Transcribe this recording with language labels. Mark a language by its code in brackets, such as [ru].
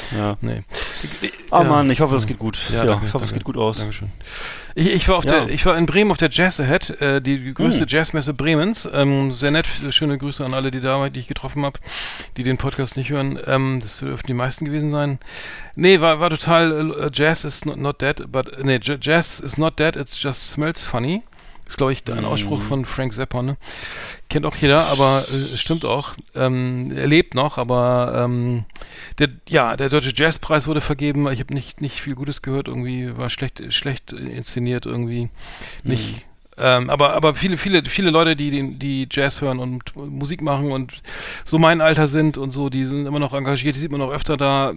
[de] Ja. Nee. Oh Mann, ich hoffe, das geht gut. Ja, ja, danke, ich hoffe, es geht gut aus. Dankeschön. Ich war in Bremen auf der Jazz Ahead, die größte Jazzmesse Bremens. Sehr nett, schöne Grüße an alle, die ich getroffen habe, die den Podcast nicht hören. Das dürften die meisten gewesen sein. Nee, war total, [en] Jazz is not dead, but, [de] nee, [en] Jazz is not dead, it just smells funny. [de] Ist, glaube ich, ein Ausspruch von Frank Zappa, ne? Kennt auch jeder, aber stimmt auch. Er lebt noch, aber der Deutsche Jazzpreis wurde vergeben. Ich habe nicht viel Gutes gehört, irgendwie war schlecht inszeniert irgendwie. Nicht. Aber viele Leute, die Jazz hören und Musik machen und so mein Alter sind und so, die sind immer noch engagiert, die sieht man noch öfter da.